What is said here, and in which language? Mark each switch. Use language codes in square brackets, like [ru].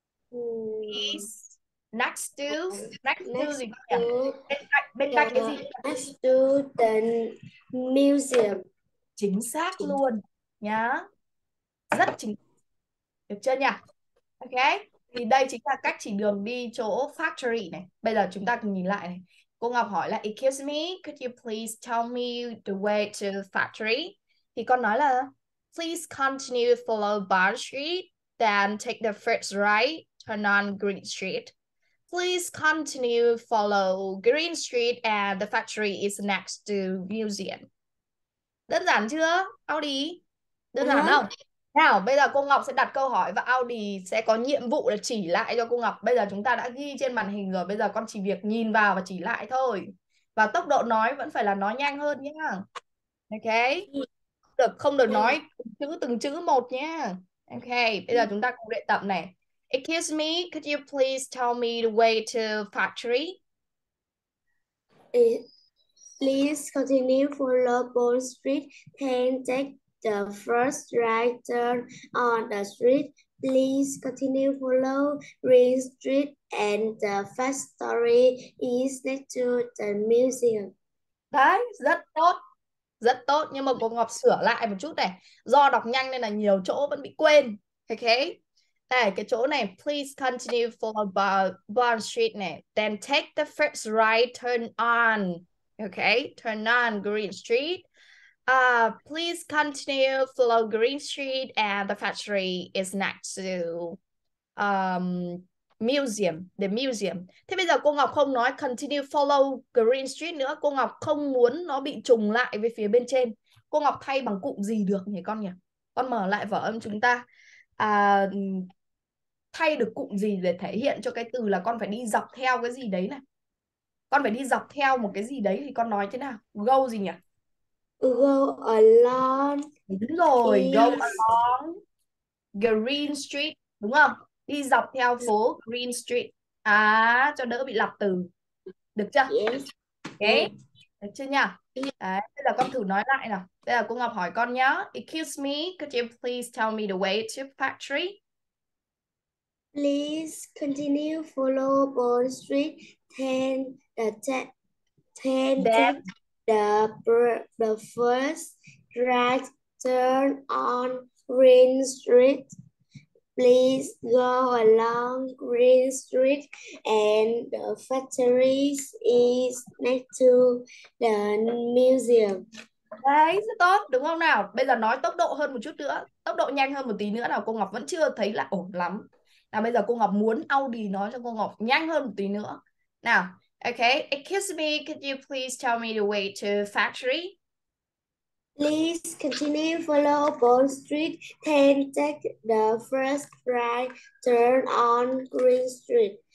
[en] It's next to [vi] gì con nhỉ? Bên cạnh cái gì? [en] Next to the museum. [vi] Chính xác luôn nhá. Rất chính. Được chưa nhỉ? Ok, thì đây chính là cách chỉ đường đi chỗ factory này. Bây giờ chúng ta cùng nhìn lại này. Cô Ngọc hỏi là [en] excuse me, could you please tell me the way to factory? [vi] Thì con nói là [en] please continue follow Bond Street, then take the first right, turn on Green Street. Please continue follow Green Street and the factory is next to museum. [vi] Đơn giản chưa, Audi? Đơn giản không? Nào, bây giờ cô Ngọc sẽ đặt câu hỏi và Audi sẽ có nhiệm vụ là chỉ lại cho cô Ngọc. Bây giờ chúng ta đã ghi trên màn hình rồi, bây giờ con chỉ việc nhìn vào và chỉ lại thôi. Và tốc độ nói vẫn phải là nói nhanh hơn nhé. Ok. Không được nói từng chữ một nhé. Ok, bây giờ chúng ta cùng luyện tập này. [en] Excuse me, could you please tell me the way to factory? Please continue for the Bond Street and take the first right turn on the street. Please continue follow Green Street and the factory is next to the [vi] Đấy, rất tốt, nhưng mà cô Ngọc sửa lại một chút này, do đọc nhanh nên là nhiều chỗ vẫn bị quên. [en] Ok, [vi] này, cái chỗ này, [en] please continue follow Bond Street [vi] này, [en] then take the first right turn on, ok, turn on Green Street. Please continue follow Green Street and the factory is next to museum, the museum. [vi] Thế bây giờ cô Ngọc không nói [en] continue follow Green Street [vi] nữa, cô Ngọc không muốn nó bị trùng lại với phía bên trên. Cô Ngọc thay bằng cụm gì được nhỉ con nhỉ? Con mở lại vở âm chúng ta. Thay được cụm gì để thể hiện cho cái từ là con phải đi dọc theo cái gì đấy này. Con phải đi dọc theo một cái gì đấy thì con nói thế nào? Go gì nhỉ? [en] Go [vi] Đúng rồi, [en] go along along Green Street, [vi] đúng không? Đi dọc theo phố Green Street. À, cho đỡ bị lặp từ. Được chưa? [en] yes. [vi] Ok. Được chưa nha? Đấy, bây giờ con thử nói lại nào. Bây giờ cô Ngọc hỏi con nhá. [en] Excuse me, could you please tell me the way to factory? Please continue follow Bond Street ten the ten Then. take the first right turn on Green Street. Please go along Green Street and the factory is next to [vi] Đấy, rất tốt, đúng không nào? Bây giờ nói tốc độ hơn một chút nữa, tốc độ nhanh hơn một tí nữa nào. Cô Ngọc vẫn chưa thấy là ổn lắm. Nào bây giờ cô Ngọc muốn Audi nói cho cô Ngọc nhanh hơn một tí nữa. Nào, ok. [en] Excuse me, could you please tell me the way to factory? Please continue follow Bond Street, then take the first right turn on Green Street.